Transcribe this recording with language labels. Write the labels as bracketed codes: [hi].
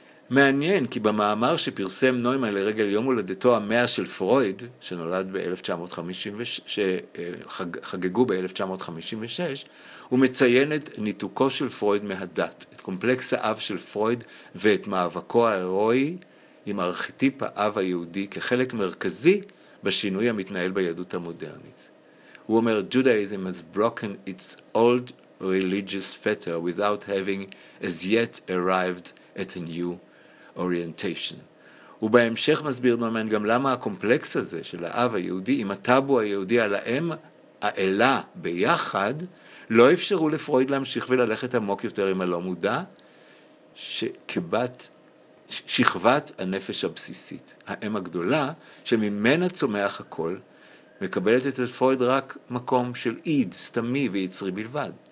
[he] מעניין כי במאמר שפרסם נוימן לרגל יום הולדתו המאה של פרויד, שנולד שחגגו ב-1956, הוא מציין את ניתוקו של פרויד מהדת, את קומפלקס האב של פרויד ואת מאבקו ההירואי עם ארכיטיפ האב היהודי כחלק מרכזי בשינוי המתנהל ביהדות המודרנית. הוא אומר, [en] Judaism has broken its old religious fetter without having as yet arrived at a new orientation. [he] ובהמשך מסביר נוימן גם למה הקומפלקס הזה של האב היהודי עם הטאבו היהודי על האם האלה ביחד לא אפשרו לפרויד להמשיך וללכת עמוק יותר עם הלא מודע שכבת שכבת הנפש הבסיסית, האם הגדולה שממנה צומח הכל, מקבלת את פרויד רק מקום של איד סתמי ויצרי בלבד.